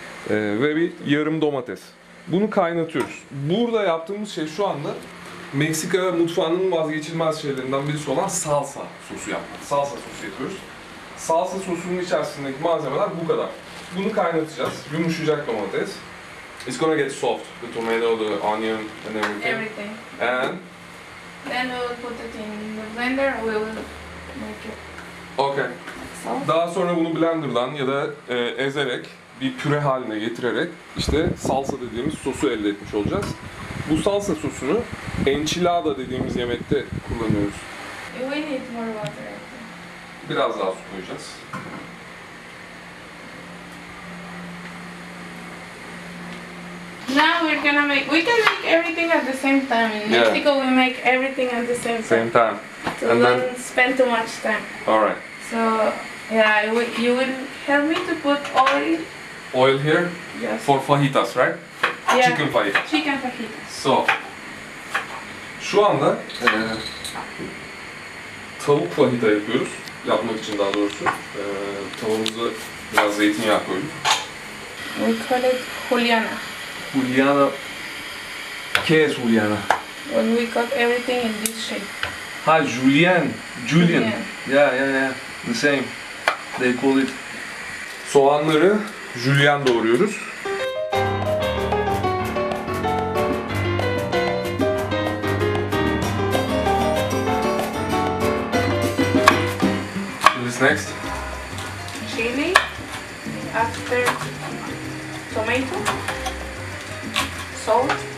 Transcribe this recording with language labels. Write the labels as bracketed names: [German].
[Turkish] Ve bir yarım domates. Bunu kaynatıyoruz. Burada yaptığımız şey şu anda Meksika mutfağının vazgeçilmez şeylerinden birisi olan salsa sosu yapmak. Salsa sosu yapıyoruz. Salsa sosunun içerisindeki malzemeler bu kadar. Bunu kaynatacağız. Yumuşacak domates. [English] It's gonna get soft. The tomato, the onion and everything. Everything. Then we'll put it in the blender, we'll make it. Okay. [Turkish] Daha sonra bunu blenderdan ya da ezerek, bir püre haline getirerek işte salsa dediğimiz sosu elde etmiş olacağız. Bu salsa sosunu enchilada dediğimiz yemekte kullanıyoruz. [English] We need more water. [Turkish] Biraz daha su koyacağız. [English] Now we're gonna make. We can make everything at the same time in Mexico. Yeah. We make everything at the same time. So we don't spend too much time. All right. So yeah, you will help me to put oil here. Yes. For fajitas, right? Yeah. Chicken fajitas. [Turkish] So, şu anda tavuk fajita yapıyoruz. Yapmak için daha doğrusu tavuğumuzu biraz zeytinyağı koyuyoruz. [English] We call it Juliana. [Spanish] Juliana, ¿qué es Juliana? [English] When we cut everything in this shape. Ha, Julian. Yeah. The same. They call it. [Turkish] Soğanları jülyen doğruyoruz. [English] What's next? Chili. After tomato. Salt.